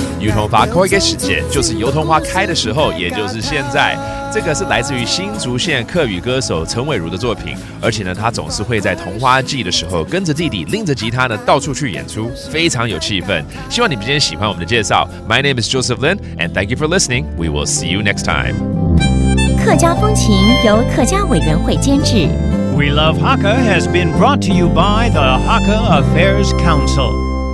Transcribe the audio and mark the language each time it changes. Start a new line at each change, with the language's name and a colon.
Chinese: 油桐花开的时节就是油桐花开的时候，也就是现在。这个是来自于新竹县客语歌手陈瑋儒的作品，而且呢，他总是会在桐花祭的时候跟着弟弟拎着吉他呢到处去演出，非常有气氛。希望你们今天喜欢我们的介绍。
English: My name is Joseph Lin, and thank you for listening. We will see you next time.
Chinese: 客家风情由客家委员会监制。
English: We Love Hakka has been brought to you by the Hakka Affairs Council.